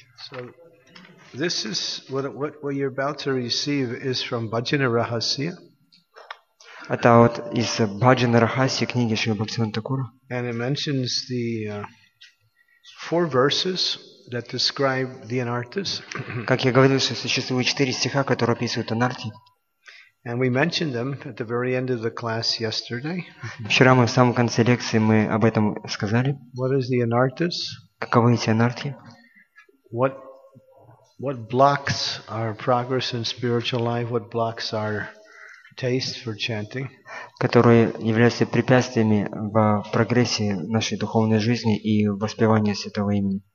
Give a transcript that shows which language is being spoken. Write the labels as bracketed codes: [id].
[en] So, this is what you're about to receive is from Bhajana Rahasya. [ru] Это вот из Бхаджана Рахаси книги Шри Бхактисиддханта Такура. [en] And it mentions the four verses that describe the anarthas. [ru] Как я говорил, что существует четыре стиха, которые описывают анарти. [en] And we mentioned them at the very end of the class yesterday. [ru] Вчера мы в самом конце лекции мы об этом сказали. [en] What is the anarthas? [ru] Каковы эти анарти? [en] What blocks our progress in spiritual life? What blocks our taste for chanting? [ru] Которые являются препятствиями в прогрессе нашей духовной жизни и воспевания святого имени.